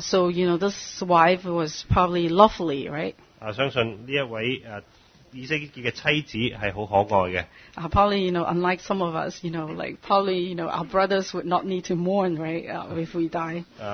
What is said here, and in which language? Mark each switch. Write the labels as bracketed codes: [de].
[en] So, you know, this wife was probably lovely, right? [zh] 相信这一位 以色列的妻子是很可爱的。 [en] Probably, you know, unlike some of us, you know, like probably, you know, our brothers would not need to mourn, right, if we die.